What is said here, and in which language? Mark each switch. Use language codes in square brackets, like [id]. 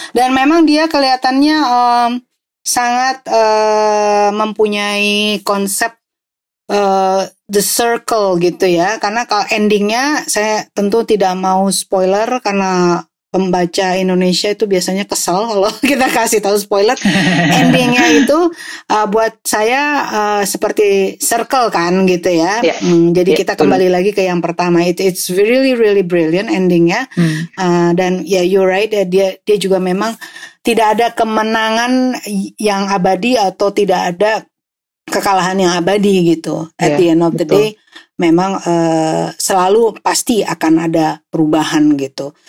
[id] Dan memang dia kelihatannya sangat mempunyai konsep [en] the circle [id] gitu ya, karena kalau endingnya saya tentu tidak mau spoiler karena pembaca Indonesia itu biasanya kesel kalau kita kasih tahu spoiler. Endingnya itu buat saya seperti circle kan gitu ya. Jadi kita kembali lagi ke yang pertama. [en] It's really really brilliant endingnya. [id] Dan ya [en] yeah, you're right, [id] dia juga memang tidak ada kemenangan yang abadi atau tidak ada kekalahan yang abadi gitu. [en] At the end of the day, [id] memang selalu pasti akan ada perubahan gitu.